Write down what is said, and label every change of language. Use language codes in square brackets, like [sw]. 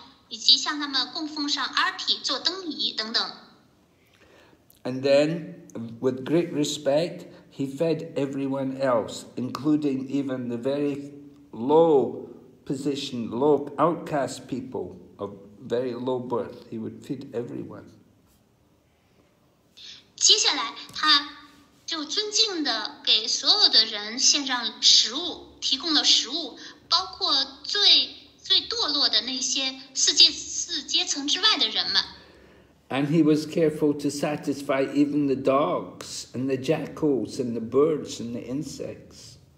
[en] And then, with great respect, he fed everyone else, including even the very low position, low outcast people of very low birth. He would feed everyone. [zh] 接下来，他就尊敬地给所有的人献上食物，提供了食物，包括最堕落的那些四阶层之外的人们。 [en] And he was careful to satisfy even the dogs and the jackals and the birds and the insects.